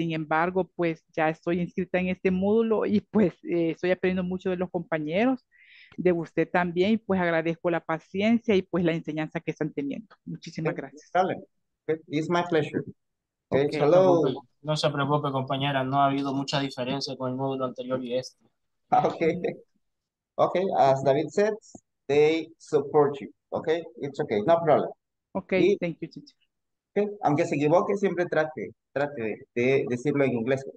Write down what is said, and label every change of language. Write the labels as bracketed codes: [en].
[es] Sin embargo, pues ya estoy inscrita en este módulo y pues estoy aprendiendo mucho de los compañeros, de usted también, y pues agradezco la paciencia y pues la enseñanza que están teniendo. Muchísimas gracias. [en] Dale. It's my pleasure. Okay, Ok, hello. [es] no se preocupe, compañera, no ha habido mucha diferencia con el módulo anterior y este. [en] Okay, as David said, they support you. Okay, it's okay, no problem. Okay, thank you, teacher. [es] Aunque se equivoque, siempre trate de decirlo en inglés.